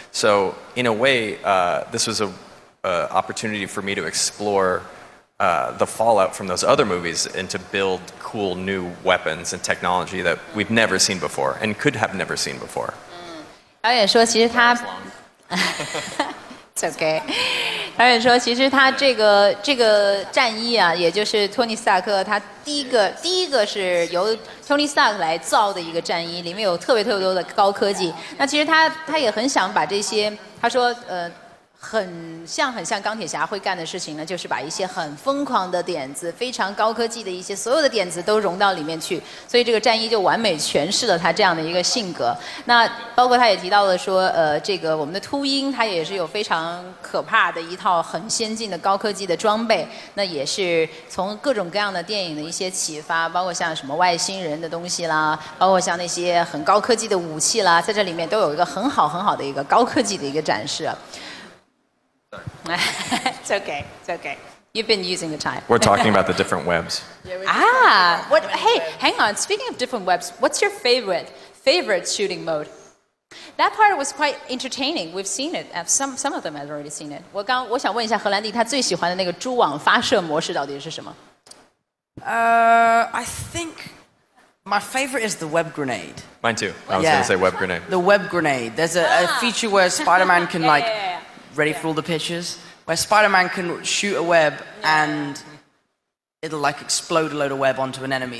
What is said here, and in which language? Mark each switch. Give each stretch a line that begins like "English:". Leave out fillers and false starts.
English: So in a way, this was a opportunity for me to explore the fallout from those other movies and to build cool new weapons and technology that we've never seen before and could have never seen before.
Chinese: 导演说其实他
English: It's okay.
Chinese: 导演说其实他这个战衣啊 也就是托尼·斯塔克他第一个是由托尼·斯塔克来造的一个战衣 里面有特别特别多的高科技 那其实他也很想把这些 他说很像钢铁侠会干的事情呢 就是把一些很疯狂的点子 非常高科技的一些所有的点子都融到里面去 所以这个战衣就完美诠释了他这样的一个性格 那包括他也提到了说 这个我们的秃鹰他也是有非常可怕的一套很先进的高科技的装备 那也是从各种各样的电影的一些启发 包括像什么外星人的东西啦 包括像那些很高科技的武器啦 在这里面都有一个很好很好的一个高科技的一个展示
English: It's okay. It's okay. You've been using the time. We're talking about the different webs. Hang on. Speaking of different webs, what's your favorite shooting mode? That part was quite entertaining. We've seen it. Some of them have already seen it.
Chinese: 我想问一下荷兰弟他最喜欢的那个蛛网发射模式到底是什么?
English: I think my favorite is the web grenade. Mine too. I was going to say web grenade. The web grenade. There's a feature where Spider-Man can for all the pictures, where Spider-Man can shoot a web and it'll like explode a load of web onto an enemy.